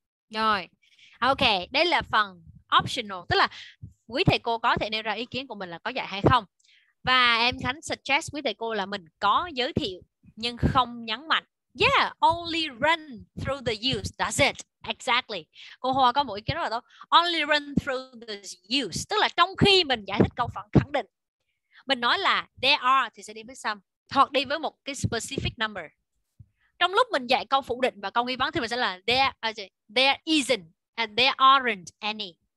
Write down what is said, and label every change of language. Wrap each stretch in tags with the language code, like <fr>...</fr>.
<vi>Rồi, ok, đây là phần optional. Tức là quý thầy cô có thể nêu ra ý kiến của mình là có dạy hay không. Và em Khánh suggest quý thầy cô là mình có giới thiệu nhưng không nhấn mạnh.</vi> <en>Yeah, only run through the use, that's it, exactly.</en> <vi>Cô Hoa có một ý kiến rất là tốt.</vi> <en>Only run through the use,</en> <vi>tức là trong khi mình giải thích câu phần khẳng định, mình nói là there are thì sẽ đi với some, hoặc đi với một cái specific number. Trong lúc mình dạy câu phủ định và câu nghi vấn thì mình sẽ là</vi> <en>there isn't and there aren't any.</en>